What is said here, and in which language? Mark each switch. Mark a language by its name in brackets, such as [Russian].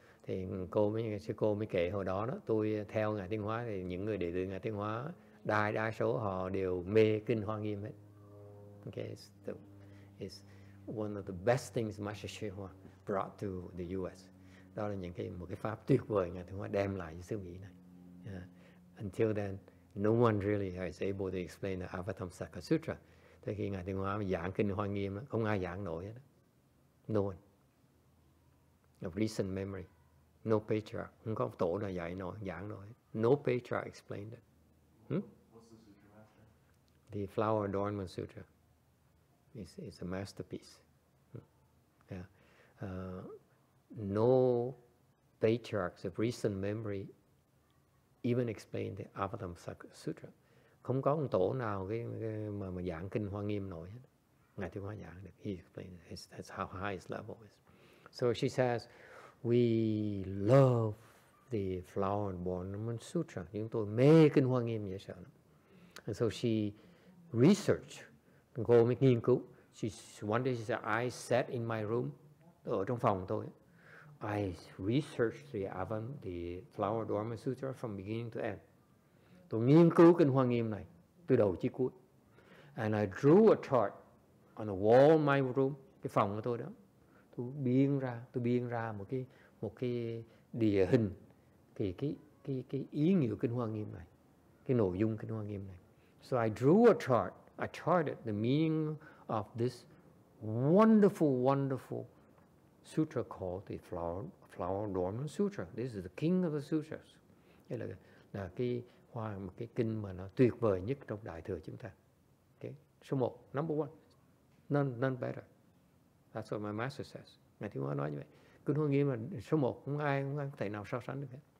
[Vietnamese] Thì cô mới kể hồi đó đó, tôi theo ngài Thiên Hóa thì những người đệ tử ngài Thiên Hóa đa số họ đều mê kinh Hoa Nghiêm hết. [English] Okay, it's one of the best things Master Shen Hua brought to the US. [Vietnamese] Đó là những cái một cái pháp tuyệt vời ngài Thiên Hóa đem lại cho xứ Mỹ này. [English] Yeah. Until then, no one really is able to explain the Avatamsaka Sutra. [Vietnamese] Thế khi ngài Thiên Hóa giảng kinh Hoa Nghiêm, không ai giảng nổi hết. [English] No one. Of recent memory, no patriarch. [Vietnamese] Không có tổ nào dạy nổi, giảng nổi. [English] No patriarch explained it. What's the sutra? The Flower Adornment Sutra. It's a masterpiece. Yeah. No patriarchs of recent memory even explained the Avatamsaka Sutra. [Vietnamese] Không có tổ nào cái mà giảng kinh Hoa Nghiêm nổi hết. Ngài Thiên Hóa giảng được. [English] He explained it. That's how high his level is. So she says, we love the flower and ornament sutra. And so she researched, [Vietnamese] go nghiên cứu. [English] She one day she said, I sat in my room, [Vietnamese] ở trong phòng tôi. [English] I researched the flower ornament sutra from beginning to end. [Vietnamese] Tôi nghiên cứu kinh Hoa Nghiêm này từ đầu chí cuối. [English] And I drew a chart on the wall of my room, [Vietnamese] cái phòng của tôi đó. Tôi biên ra một cái địa hình cái ý nghĩa kinh Hoa Nghiêm này, cái nội dung kinh Hoa Nghiêm này. [English] So I drew a chart. I charted the meaning of this wonderful, wonderful sutra called the Flower Dormant Sutra. This is the king of the sutras. [Vietnamese] Đây là cái hoa, một cái kinh mà nó tuyệt vời nhất trong Đại Thừa chúng ta. Okay. Số 1, [English] number 1, none better. That's what my master says. [Vietnamese] Ngài Thiếu Hóa nói như vậy. Kinh Hoa Nghiêm là số 1, không ai có thể nào so sánh được hết.